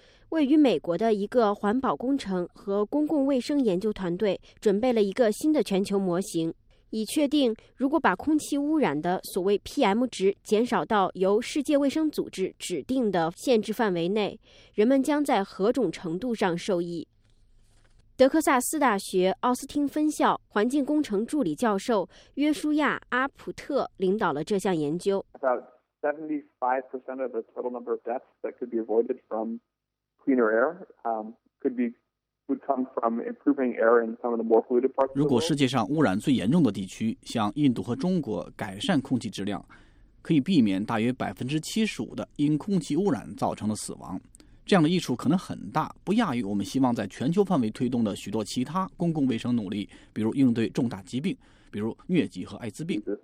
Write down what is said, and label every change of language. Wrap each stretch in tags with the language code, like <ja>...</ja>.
<zh>位于美国的一个环保工程和公共卫生研究团队准备了一个新的全球模型，以确定如果把空气污染的所谓 PM 值减少到由世界卫生组织指定的限制范围内，人们将在何种程度上受益。德克萨斯大学奥斯汀分校环境工程助理教授约书亚·阿普特领导了这项研究。</zh> <en>75% of the total number of deaths that could be avoided from cleaner air would come from improving air in some of the more polluted parts.</en> <zh>如果世界上污染最严重的地区，像印度和中国，改善空气质量，可以避免大约75%的因空气污染造成的死亡。这样的益处可能很大，不亚于我们希望在全球范围推动的许多其他公共卫生努力，比如应对重大疾病，比如疟疾和艾滋病。</zh>